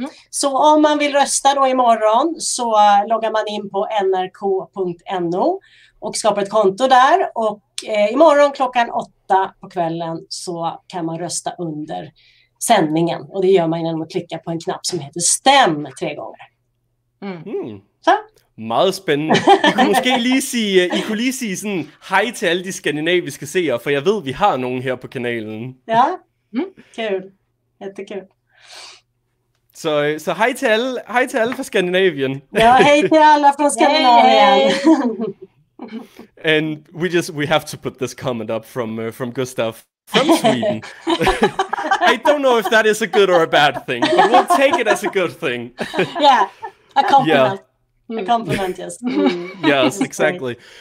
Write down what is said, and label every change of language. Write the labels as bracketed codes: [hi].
[sv] Så om man vill rösta då imorgon, så loggar man in på nrk.no och skapar ett konto där. Och imorgon klockan 8 på kvällen så kan man rösta under sändningen. Och det gör man genom att klicka på en knapp som heter Stäm tre gånger. [da] Så. Meget spændende. I kunne lige sige sådan hej til alle de skandinaviske seere, for jeg ved, vi har nogen her på kanalen. [sv] Ja, kul. Jättekul. [da] Så hej til alle fra Skandinavien. Ja, hej til alle fra Skandinavien. [en] And we have to put this comment up from Gustav from Sweden. I don't know if that is a good or a bad thing, but we'll take it as a good thing. Yeah, a compliment. Yeah. A compliment, yes. Yes, exactly.